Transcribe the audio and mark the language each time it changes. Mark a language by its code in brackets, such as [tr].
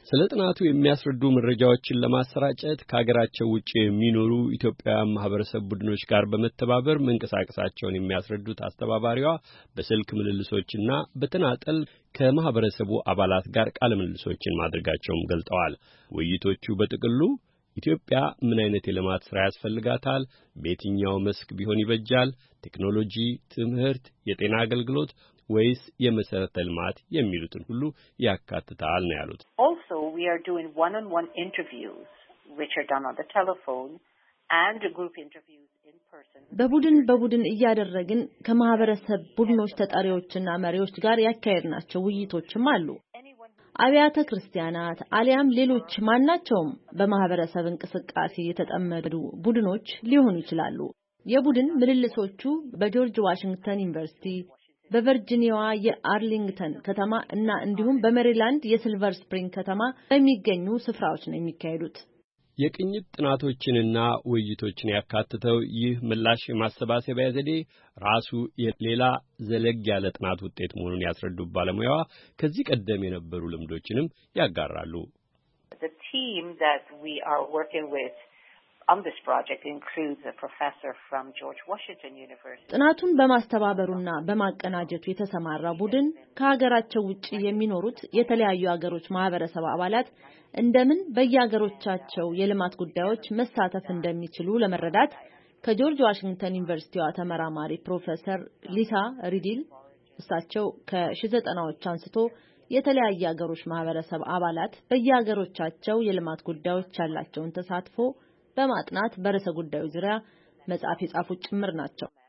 [am] ስለ ጥናቱ የሚያስረዱ መረጃዎችን ለማሰራጨት ከሀገራቸው ውጪ የሚኖሩ ኢትዮጵያውያን ማህበረሰብ ቡድኖች ጋር በመተባበር መንቀሳቀሳቸውን የሚያስረዱት አስተባባሪዋ በስልክ ምልልሶችና በተናጠል ከማህበረሰቡ አባላት ጋር ቃለ ምልልሶችን ማድረጋቸውም ገልጠዋል። ውይይቶቹ በጥቅሉ ኢትዮጵያ ምን አይነት የልማት ስራ ያስፈልጋታል? በየትኛው መስክ ቢሆን ይበጃል? ቴክኖሎጂ፣ ትምህርት፣ የጤና አገልግሎት ወይስ የመሰረተ ልማት የሚሉትን ሁሉ ያካትታል ነው ያሉት። [en] Also we are doing one-on-one interviews which are done on the telephone and group interviews in person. [am] በቡድን በቡድን እያደረግን ከማህበረሰብ ቡድኖች ተጣሪዎችና መሪዎች ጋር ያካሄድናቸው ውይይቶችም አሉ። አብያተ ክርስቲያናት አሊያም ሌሎች ማናቸውም በማህበረሰብ እንቅስቃሴ የተጠመዱ ቡድኖች ሊሆኑ ይችላሉ። የቡድን ምልልሶቹ በጆርጅ ዋሽንግተን ዩኒቨርሲቲ፣ በቨርጂኒያዋ የአርሊንግተን ከተማ እና እንዲሁም በሜሪላንድ የሲልቨር ስፕሪንግ ከተማ በሚገኙ ስፍራዎች ነው የሚካሄዱት። የቅኝት ጥናቶችንና ውይይቶችን ያካተተው ይህ ምላሽ የማሰባሰቢያ ዘዴ ራሱ የሌላ ዘለግ ያለ ጥናት ውጤት መሆኑን ያስረዱ ባለሙያዋ ከዚህ ቀደም የነበሩ ልምዶችንም ያጋራሉ። [en] The team that we are working with on this project includes a professor from George Washington University. [am] ጥናቱን በማስተባበሩና በማቀናጀቱ የተሰማራው ቡድን ከሀገራቸው ውጪ የሚኖሩት የተለያዩ ሀገሮች ማህበረሰብ አባላት እንደምን በየሀገሮቻቸው የልማት ጉዳዮች መሳተፍ እንደሚችሉ ለመረዳት ከጆርጅ ዋሽንግተን ዩኒቨርሲቲዋ ተመራማሪ ፕሮፌሰር ሊሳ ሪዲል እሳቸው ከ90ዎቹ አንስቶ የተለያየ ሀገሮች ማህበረሰብ አባላት በየሀገሮቻቸው የልማት ጉዳዮች ያላቸውን ተሳትፎ በማጥናት በርዕሰ ጉዳዩ ዙሪያ መጻፍ የጻፉት ጭምር ናቸው።